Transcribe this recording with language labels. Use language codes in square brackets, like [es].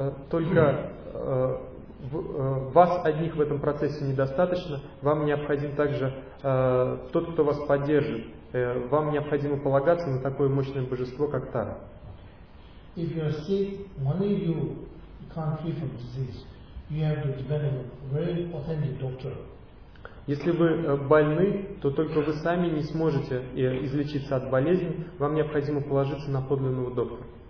[ru] Вас одних в этом процессе недостаточно, вам необходим также тот, кто вас поддержит. Вам необходимо полагаться на такое мощное божество, как Тара. [en] If you are sick, only you can't heal from disease. You have to depend on a very authentic doctor. [ru] Если вы больны, то только вы сами не сможете излечиться от болезни. Вам необходимо положиться на подлинного доктора.